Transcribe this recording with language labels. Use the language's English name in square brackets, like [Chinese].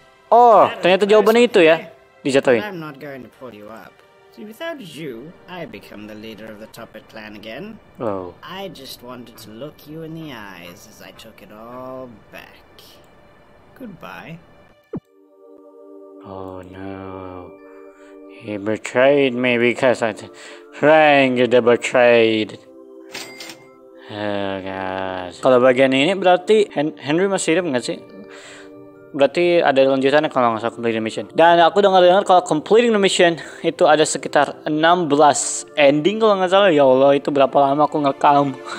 [Indonesian] Oh, ternyata jawabannya itu ya. Dijatuhin. [English] I'm not going to pull you up. See, without you, I become the leader of the Toppet clan again. Oh. I just wanted to look you in the eyes as I took it all back. Goodbye. Oh no. He betrayed me because I rang the betrayed. [Indonesian] Oh, kalau bagian ini berarti Henry masih hidup nggak sih? Berarti ada lanjutannya kalau nggak salah completing the mission. Dan aku dengar kalau completing the mission itu ada sekitar 16 ending kalau nggak salah. Ya Allah, itu berapa lama aku ngekam.